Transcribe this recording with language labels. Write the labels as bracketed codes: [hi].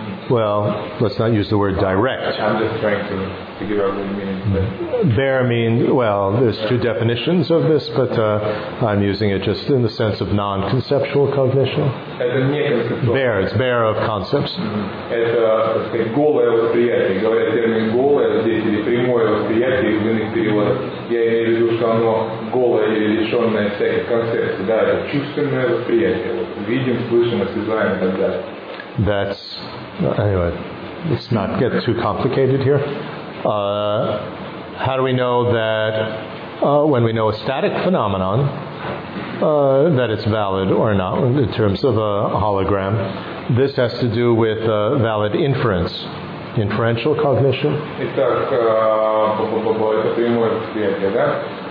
[en] Well, let's not use the word direct. I'm just trying to figure out what you mean. Bare means, well, there's two definitions of this, but I'm using it just in the sense of non-conceptual cognition. Bare, it's bare of concepts. [ru] Это голое восприятие. Говорят термин голое, здесь или прямое восприятие в иных переводах. я имею в виду, что оно голое или лишенное всяких концепций, да, это чувственное восприятие, вот, видим, слышим, осязаем и так далее. [en] That's, anyway, let's not get too complicated here. How do we know that, when we know a static phenomenon, that it's valid or not in terms of a hologram? This has to do with valid inference, inferential cognition. [ru] Итак, это прямое восприятие, да?